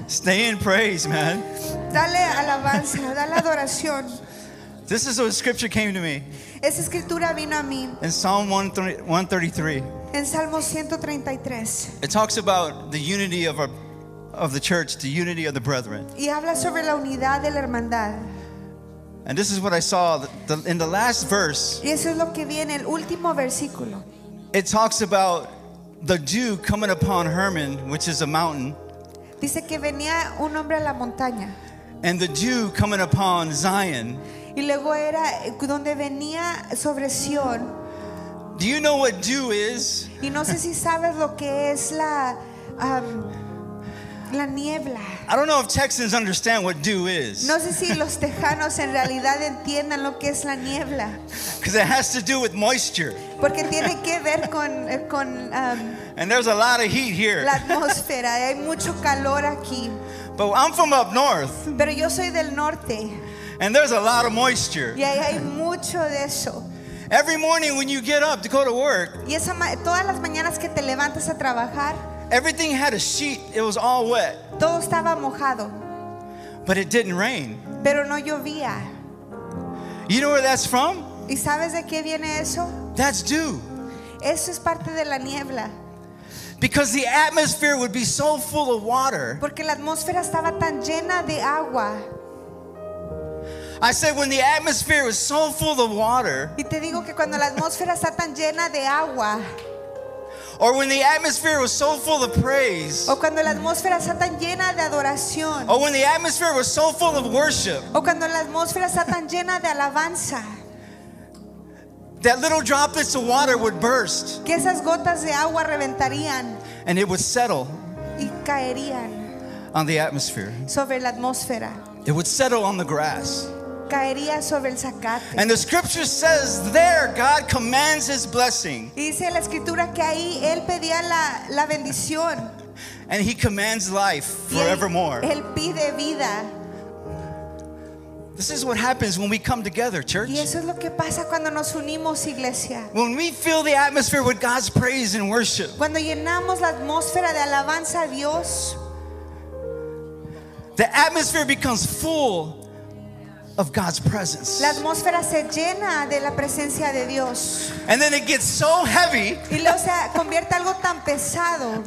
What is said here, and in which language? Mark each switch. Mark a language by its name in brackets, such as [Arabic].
[English] Stay in praise, man. [Spanish] Dale alabanza, dale adoración. [English] This is what scripture came to me. [Spanish] Esa escritura vino a mí. [English] In Psalm 133. [Spanish] En Salmo 133. [English] It talks about the unity of our of the church, the unity of the brethren. [Spanish] Y habla sobre la unidad de la hermandad. [English] And this is what I saw in the last verse. [Spanish] Y eso es lo que vi en el último versículo. [English] It talks about the dew coming upon Hermon, which is a mountain. [Spanish] Dice que venía un hombre a la montaña. [English] And the dew coming upon Zion. [Spanish] Y luego era donde venía sobre Sion. [English] Do you know what dew is? [Spanish] Y no sé si sabes lo que es la la niebla. [English] I don't know if Texans understand what dew is. [Spanish] No sé si los tejanos en realidad entiendan lo que es la niebla. [English] Because it has to do with moisture. [Spanish] Porque tiene que ver con [English] And there's a lot of heat here. [Spanish] La atmósfera, hay mucho calor aquí. [English] But I'm from up north. [Spanish] Pero yo soy del norte. [English] And there's a lot of moisture. [Spanish] Y hay mucho de eso. [English] Every morning when you get up to go to work. [Spanish] Y esa todas las mañanas que te levantas a trabajar. [English] Everything had a sheet. It was all wet. [Spanish] Todo estaba mojado. [English] But it didn't rain. [Spanish] Pero no llovía. [English] You know where that's from? [Spanish] ¿Y sabes de qué viene eso? [English] That's dew. [Spanish] Eso es parte de la niebla. [English] Because the atmosphere would be so full of water. [Spanish] Porque la atmósfera estaba tan llena de agua. [English] I said when the atmosphere was so full of water. [Spanish] Y te digo que cuando la atmósfera está tan llena de agua. [English] Or when the atmosphere was so full of praise. [Spanish] O cuando la atmósfera está tan llena de adoración. [English] Or when the atmosphere was so full of worship. [Spanish] O cuando la atmósfera está tan llena de alabanza. [English] That little droplets of water would burst. [Spanish] Que esas gotas de agua reventarían. [English] And it would settle. [Spanish] Y caerían. [English] On the atmosphere. [Spanish] Sobre la atmósfera. [English] It would settle on the grass. [Spanish] Caería sobre el zacate. [English] And the scripture says there God commands his blessing. [Spanish] Y dice la escritura que ahí él pedía la bendición. [English] And he commands life forevermore. [Spanish] Él pide vida. [English] This is what happens when we come together, church. [Spanish] Y eso es lo que pasa cuando nos unimos, iglesia. [English] When we fill the atmosphere with God's praise and worship. [Spanish] Cuando llenamos la atmósfera de alabanza a Dios. [English] The atmosphere becomes full of God's presence. [Spanish] La atmósfera se llena de la presencia de Dios. [English] And then it gets so heavy. [Spanish] Y luego se convierte algo tan pesado.